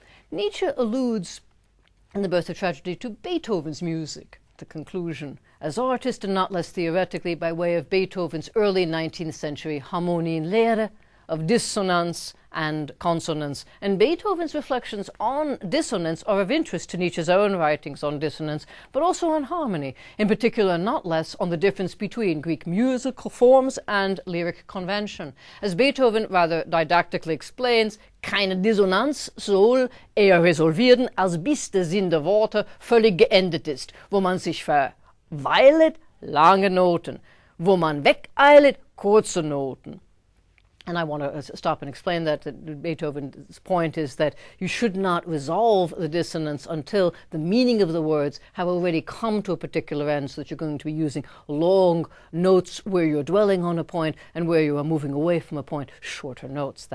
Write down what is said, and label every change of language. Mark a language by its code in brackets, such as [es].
[en] Nietzsche alludes in The Birth of Tragedy to Beethoven's music, the conclusion, as artist and not less theoretically by way of Beethoven's early 19th century Harmonienlehre of dissonance and consonance. And Beethoven's reflections on dissonance are of interest to Nietzsche's own writings on dissonance, but also on harmony, in particular not less on the difference between Greek musical forms and lyric convention. As Beethoven rather didactically explains, [de] keine Dissonanz soll eher resolvieren, als bis der Sinn der Worte völlig geendet ist, wo man sich verweilet, lange Noten, wo man wegeilet, kurze Noten. [en] And I want to stop and explain that. Beethoven's point is that you should not resolve the dissonance until the meaning of the words have already come to a particular end, so that you're going to be using long notes where you're dwelling on a point and where you are moving away from a point, shorter notes.